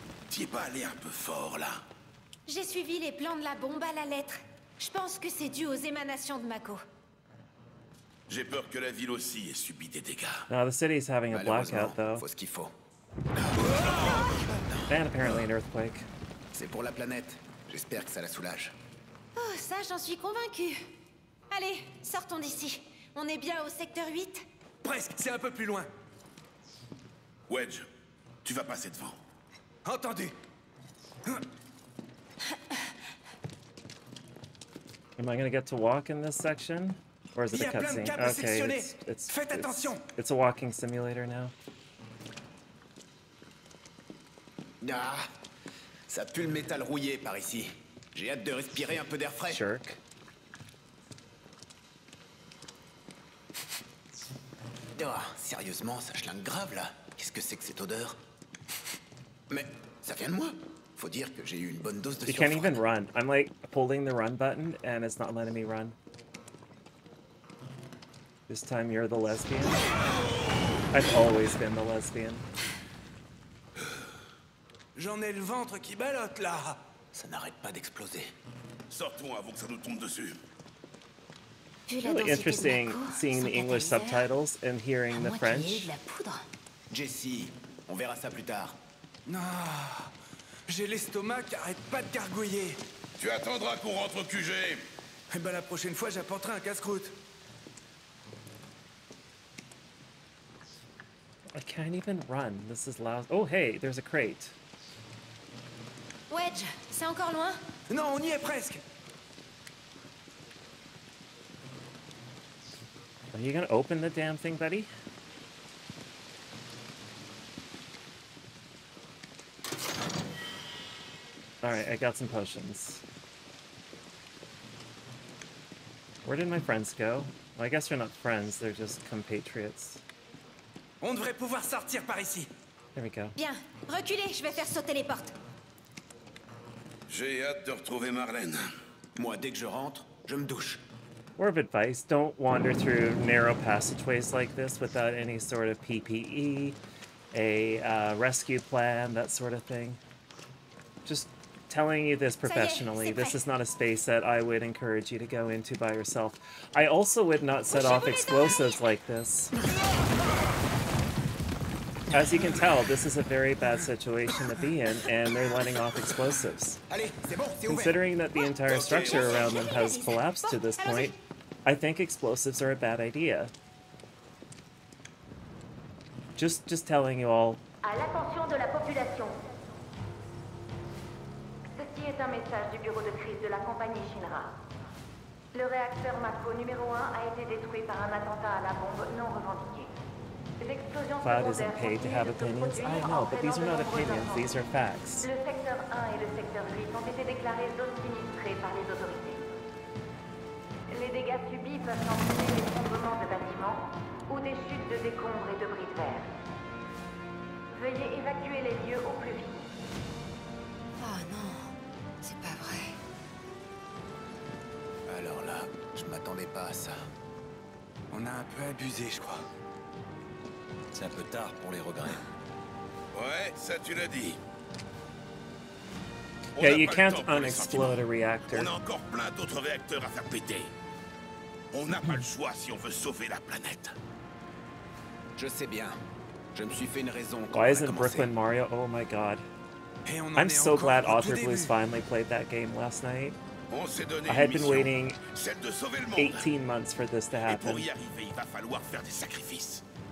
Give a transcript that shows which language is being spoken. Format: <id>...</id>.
<fr>T'y es pas allé un peu fort là. J'ai suivi les plans de la bombe à la lettre. Je pense que c'est dû aux émanations de Mako. J'ai peur que la ville aussi ait subi des dégâts.</fr> <en>Now the city is having a blackout though.</en> <fr>Faut ce qu'il faut.</fr> <en>And apparently an earthquake.</en> <fr>C'est pour la planète. J'espère que ça la soulage. Oh, ça j'en suis convaincu. Allez, sortons d'ici. On est bien au secteur 8. Presque, c'est un peu plus loin. Wedge, tu vas passer devant. Entendu.</fr> <en>Am I gonna get to walk in this section? Or is it a cutscene? Okay, it's a walking simulator now.</en> <fr>Ah, ça pue le métal rouillé par ici. J'ai hâte de respirer un peu d'air frais.</fr> <en>Jerk.</en> <fr>Oh, sérieusement, ça chlingue grave là. Qu'est-ce que c'est que cette odeur? Mais ça vient de moi. Faut dire que j'ai eu une bonne dose de.</fr> <en>You can't even run. I'm like pulling the run button and it's not letting me run. This time you're the lesbian. I've always been the lesbian.</en> <fr>J'en ai le ventre qui ballotte là. Ça n'arrête pas d'exploser. Sortons avant que ça nous tombe dessus.</fr> <en>It's really interesting seeing the English subtitles and hearing the French.</en> <fr>Jesse, on verra ça plus tard. Non, j'ai l'estomac qui arrête pas de gargouiller. Tu attendras qu'on rentre au QG. Eh ben la prochaine fois, j'apporterai un casse-croûte.</fr> <en>I can't even run. This is loud. Oh hey, there's a crate.</en> <fr>Wedge, c'est encore loin? Non, on y est presque.</fr> <en>Are you gonna open the damn thing, buddy? Alright, I got some potions. Where did my friends go? Well, I guess they're not friends, they're just compatriots.</en> <fr>On devrait pouvoir sortir par ici.</fr> <en>There we go.</en> <fr>Bien, reculez, je vais faire sauter les portes. J'ai hâte de retrouver Marlène. Moi, dès que je rentre, je me douche.</fr> <en>Word of advice, don't wander through narrow passageways like this without any sort of PPE, a rescue plan, that sort of thing. Just telling you this professionally, this is not a space that I would encourage you to go into by yourself. I also would not set off explosives like this. As you can tell, this is a very bad situation to be in, and they're letting off explosives. Considering that the entire structure around them has collapsed to this point, I think explosives are a bad idea. Just telling you all.</en> <fr>À l'attention de la population. Ceci est un message du bureau de crise de la compagnie Shinra. Le réacteur Mako numéro 1 a été détruit par un attentat à la bombe non revendiqué.</fr> <en>Cloud isn't paid to have opinions. I know, but these are not opinions, these are facts.</en> <fr>Le secteur 1 et le secteur 8 ont été déclarés zones sinistrées par les autorités. Les dégâts subis peuvent entraîner des tremblements de bâtiments ou des chutes de décombres et debris de verre. Veuillez évacuer les lieux au plus vite. Ah non, c'est pas vrai. Alors là, je m'attendais pas à ça. On a un peu abusé, je crois. C'est un peu tard pour les regrets. Ouais, ça tu l'as dit.</fr> <en>Yeah, you can't unexplode a reactor.</en> <fr>On a encore plein d'autres réacteurs à faire péter. On n'a pas le choix si on veut sauver la planète. Je sais bien. Je me suis fait une raison.</fr> <en>Why isn't Brooklyn Mario? Oh my god. I'm so glad Author Blues finally played that game last night.</en> <fr>On s'est donné</fr> <en>I had been</en> <fr>mission,</fr> <en>waiting</en> <fr>celle de sauver le monde.</fr> <en>18 months for this to happen.</en> <fr>Et pour y arriver, il va falloir faire des sacrifices.</fr>